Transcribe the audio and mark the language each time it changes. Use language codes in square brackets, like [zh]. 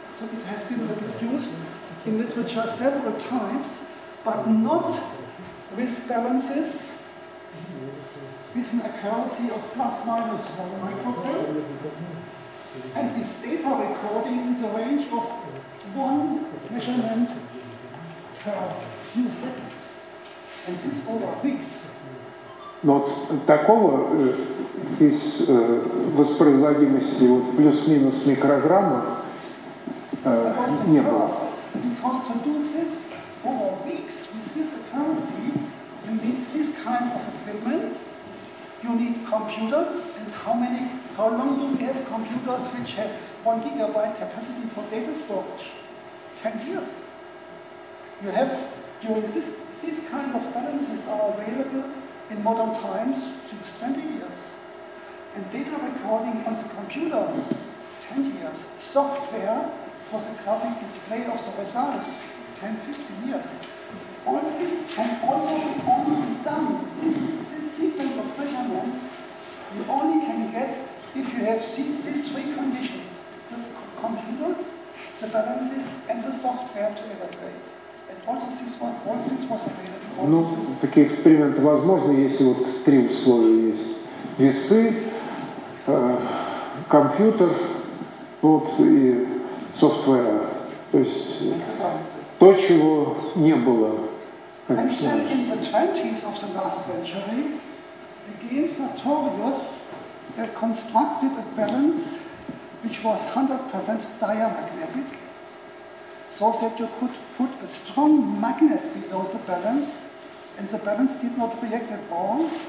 [en] So it has been reproduced in literature several times, but not with balances, with an accuracy of plus minus 1 microgram, and this data recording in the range of one measurement per few seconds, and this over weeks. [ru] Вот такого из воспроизводимости вот, плюс-минус микрограмма не было. [en] Because to do this over weeks with this accuracy, you need this kind of equipment, you need computers, and how long do we have computers which has 1 gigabyte capacity for data storage? 10 years. You have, during this kind of balances are available in modern times since 20 years. And data recording on the computer, 10 years. Software for the graphic display of the results, 10, 15 years. All this can also be only done. This sequence of measurements, you only can get if you have seen these three conditions, the computers, the balances, and the software to evaluate. And also this one, all this was available. [ru] Ну, такие эксперименты возможны, если вот три условия есть. Весы, компьютер, вот, и софтвер. То есть то, чего не было Конечно. [en] And then in the 20s of the last century, again Sartorius constructed a balance which was 100% diamagnetic, so that you could put a strong magnet below the balance, and the balance did not react at all.